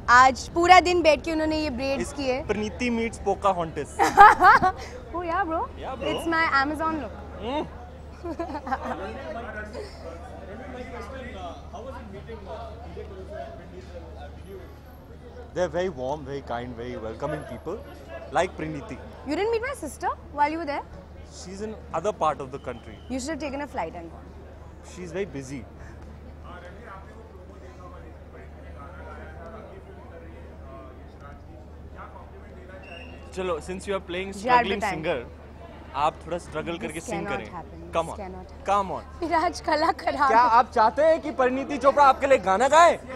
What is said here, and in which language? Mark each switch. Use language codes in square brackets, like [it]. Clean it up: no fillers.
[hi] आज पूरा दिन बैठ के उन्होंने ये ब्रेड्स किए। [en] Praniti meets Pocahontas. [hi] ओ यार [en] Bro, it's my Amazon look. They are very warm, very kind, very welcoming people, like Priniti. You didn't meet my sister while you were there? She's in other part of the country. You should have taken a flight and gone. She's very busy. [hi] Chalo, [en] since you are playing struggling singer, [hi] आप थोड़ा struggle करके सिंग करें। [en] come on [hi] विराज कला खराब। क्या आप चाहते हैं कि परिणीति चोपड़ा आपके लिए गाना गाए?